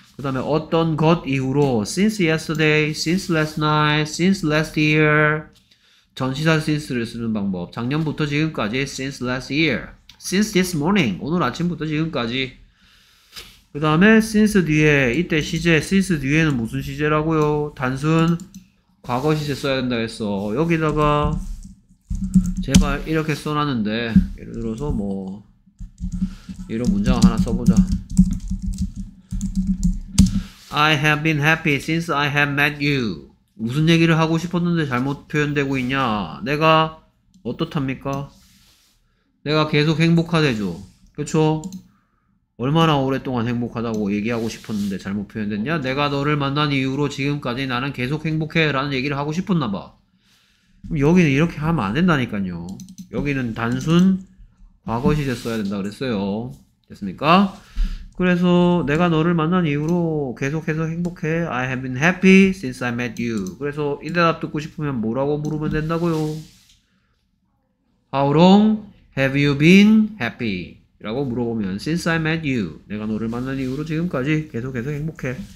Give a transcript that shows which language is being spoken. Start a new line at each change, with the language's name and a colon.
Korean: 그 다음에 어떤 것 이후로
English: since yesterday, since last night, since last year
Korean: 전치사 since를 쓰는 방법 작년부터 지금까지
English: since last year, since this morning
Korean: 오늘 아침부터 지금까지 그 다음에 since 뒤에 이때 시제 since 뒤에는 무슨 시제라고요? 단순 과거 시제 써야 된다 했어. 여기다가 제발 이렇게 써놨는데 예를 들어서 뭐 이런 문장 하나 써보자.
English: I have been happy since I have met you.
Korean: 무슨 얘기를 하고 싶었는데 잘못 표현되고 있냐? 내가 어떻답니까? 내가 계속 행복하대죠. 그렇죠? 얼마나 오랫동안 행복하다고 얘기하고 싶었는데 잘못 표현됐냐? 내가 너를 만난 이후로 지금까지 나는 계속 행복해라는 얘기를 하고 싶었나 봐. 그럼 여기는 이렇게 하면 안 된다니까요. 여기는 단순 과거 시제 써야 된다 그랬어요. 됐습니까? 그래서 내가 너를 만난 이후로 계속해서 행복해.
English: I have been happy since I met you.
Korean: 그래서 이 대답 듣고 싶으면 뭐라고 물으면 된다고요?
English: How long have you been happy?
Korean: 라고 물어보면
English: since I met you.
Korean: 내가 너를 만난 이후로 지금까지 계속해서 행복해.